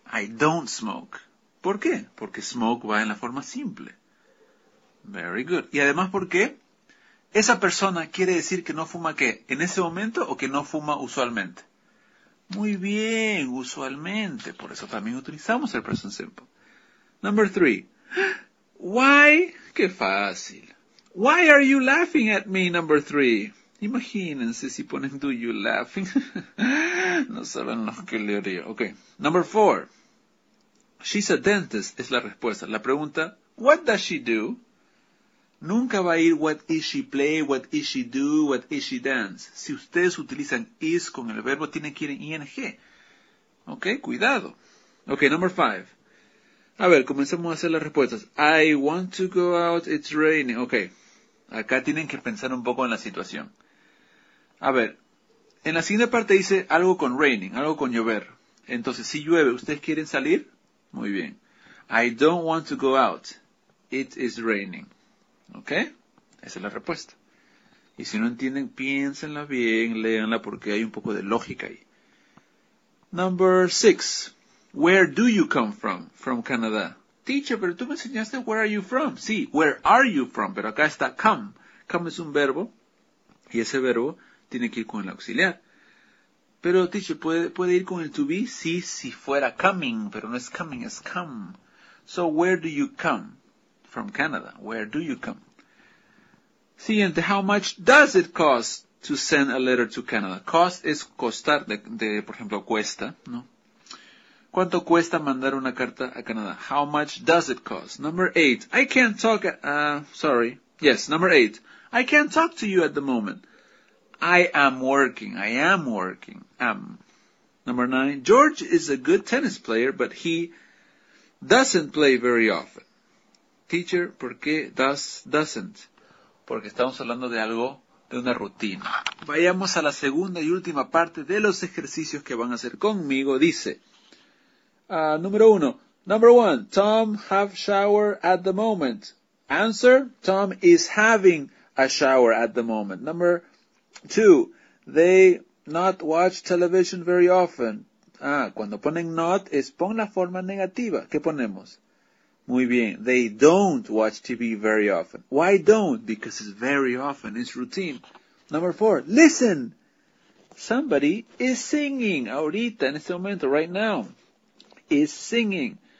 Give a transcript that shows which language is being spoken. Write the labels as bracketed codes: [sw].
[en] I don't smoke. [es] ¿Por qué? Porque smoke va en la forma simple. [en] Very good. [es] Y además, ¿por qué? Esa persona quiere decir que no fuma ¿qué? ¿En ese momento o que no fuma usualmente? Muy bien, usualmente. Por eso también utilizamos el present simple. [en] Number three. Why? [es] ¡Qué fácil! [en] Why are you laughing at me, number three? [es] Imagínense si ponen [en] do you laughing. [es] No saben lo que le haría. Ok. [en] Number four. She's a dentist, [es] es la respuesta. La pregunta, [en] what does she do? [es] Nunca va a ir [en] what is she play, what is she do, what is she dance. [es] Si ustedes utilizan is con el verbo, tiene que ir en ing. Ok, cuidado. Ok, [en] number five. [es] A ver, comencemos a hacer las respuestas. [en] I want to go out, it's raining. [es] Ok, acá tienen que pensar un poco en la situación. A ver, en la siguiente parte dice algo con raining, algo con llover. Entonces, si llueve, ¿ustedes quieren salir? Muy bien. [en] I don't want to go out. It is raining. ¿Ok? [es] Esa es la respuesta. Y si no entienden, piénsenla bien, léanla porque hay un poco de lógica ahí. [en] Number six. Where do you come from? From Canada. Teacher, [es] pero tú me enseñaste [en] where are you from. Sí, where are you from. [es] Pero acá está come. Come es un verbo. Y ese verbo tiene que ir con el auxiliar. Pero, teacher, ¿puede ir con el to be? Sí, si fuera coming, pero no es coming, es come. [en] So, where do you come? From Canada. Where do you come? [es] Siguiente, [en] how much does it cost to send a letter to Canada? [es] Cost es costar, por ejemplo, cuesta, ¿no? ¿Cuánto cuesta mandar una carta a Canadá? [en] How much does it cost? Number eight, I can't talk, yes, number eight. I can't talk to you at the moment. I am working. Number nine. George is a good tennis player, but he doesn't play very often. [es] Teacher, ¿por qué doesn't? Porque estamos hablando de algo, de una rutina. Vayamos a la segunda y última parte de los ejercicios que van a hacer conmigo. Dice, número uno. [en] Number one. Tom have shower at the moment. Answer, Tom is having a shower at the moment. Number two, they not watch television very often. [es] Ah, cuando ponen not, es pon la forma negativa. ¿Qué ponemos? Muy bien, [en] they don't watch TV very often. Why don't? Because it's very often, it's routine. Number four, listen. Somebody is singing [es] ahorita, en este momento, [en] right now. Is singing.